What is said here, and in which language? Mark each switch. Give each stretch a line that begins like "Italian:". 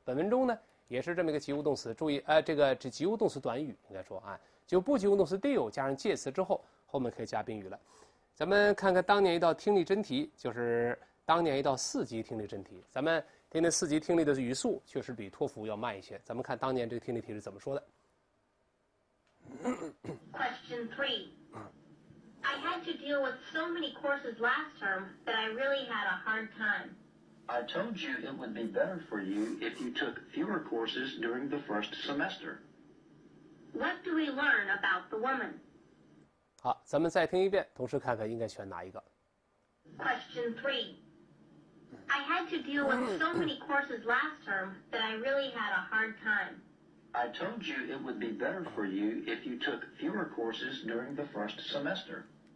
Chinese: 本文中呢也是这么一个及物动词，注意这及物动词短语应该说啊，就不及物动词 deal 加上介词之后，后面可以加宾语了。咱们看看当年一道听力真题，就是当年一道四级听力真题。咱们今天四级听力的语速确实比托福要慢一些，咱们看当年这个听力题是怎么说的。
English: Question three. I had to deal with so many courses last term that I really had a hard time. I told you it would be better for you if you took fewer courses during the first semester. What do we learn about the woman?
Chinese: 好，咱们再听一遍，同时看看应该选哪一个。
English: Question three. I had to deal with so many courses last term that I really had a hard time. I told you it would be better for you if you took fewer courses during the first semester.